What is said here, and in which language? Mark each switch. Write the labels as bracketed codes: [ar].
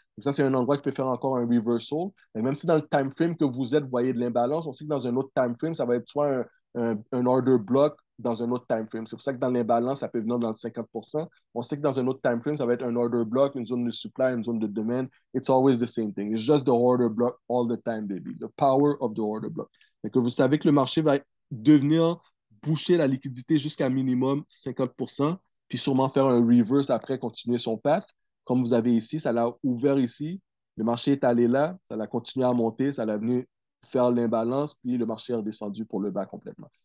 [fr] Et ça, c'est un endroit qui peut faire encore un reversal. Et même si dans le time frame que vous êtes, vous voyez de l'imbalance, on sait que dans un autre time frame, ça va être soit un order block dans un autre time frame. C'est pour ça que dans l'imbalance, ça peut venir dans le 50%. On sait que dans un autre time frame, ça va être un order block, une zone de supply, une zone de demand. [en] It's always the same thing. It's just the order block all the time, baby. The power of the order block. [fr] Et que vous savez que le marché va devenir boucher la liquidité jusqu'à minimum 50%, puis sûrement faire un reverse après, continuer son path. Comme vous avez ici, ça l'a ouvert ici. Le marché est allé là, ça l'a continué à monter, ça l'a venu faire l'imbalance, puis le marché est redescendu pour le bas complètement.